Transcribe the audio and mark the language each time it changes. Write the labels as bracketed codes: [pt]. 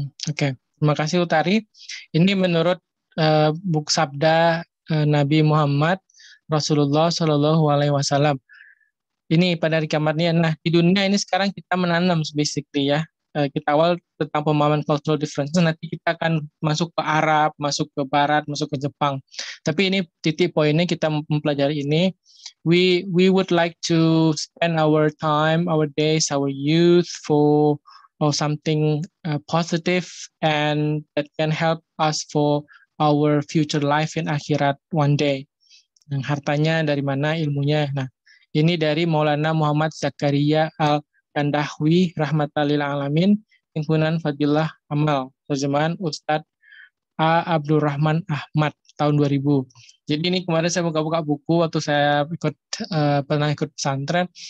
[id] Oke. Terima kasih Utari. Ini menurut buk sabda Nabi Muhammad Rasulullah Shallallahu Alaihi Wasallam. Ini pada hari kiamat ini. Nah, di dunia ini sekarang kita menanam basically ya. Kita awal tentang pemahaman cultural difference. Nanti kita akan masuk ke Arab, masuk ke Barat, masuk ke Jepang. Tapi ini titik poinnya kita mempelajari ini. [en] We would like to spend our time, our days, our youth for or something positive and that can help us for our future life in akhirat one day. [id] Yang hartanya dari mana, ilmunya. Nah, ini dari Maulana Muhammad Zakaria Al-Kandahwi rahmatalil alamin, himpunan Fadilah Amal, terjemahan Ustaz A. Abdurrahman Ahmad tahun 2000. Jadi ini kemarin saya buka-buka buku waktu saya pernah ikut pesantren.